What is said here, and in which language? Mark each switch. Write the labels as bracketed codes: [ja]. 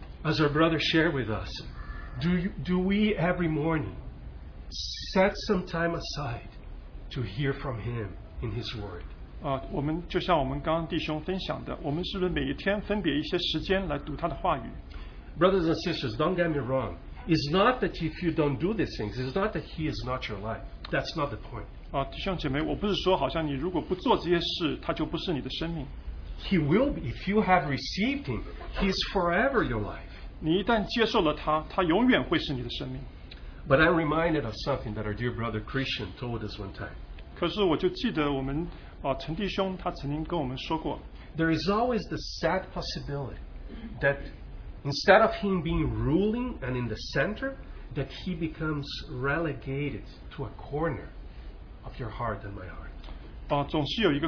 [en] As our brother shared with us, do we every morning set some time aside to hear from Him in His Word? [zh] 我们就像我们刚刚弟兄分享的，我们是不是每一天分别一些时间来读他的话语？ [en] Brothers and sisters, don't get me wrong. It's not that if you don't do these things, it's not that He is not your life. That's not the point. [zh] 弟兄姐妹，我不是说好像你如果不做这些事，他就不是你的生命。 [en] He will be if you have received Him. He's forever your life. [zh] 你一旦接受了他，他永远会是你的生命。 [en] But I'm reminded of something that our dear brother Christian told us one time. [zh] 可是我就记得我们。陈弟兄他曾经跟我们说过 [en] There is always the sad possibility that instead of him being ruling and in the center that he becomes relegated to a corner of your heart and my heart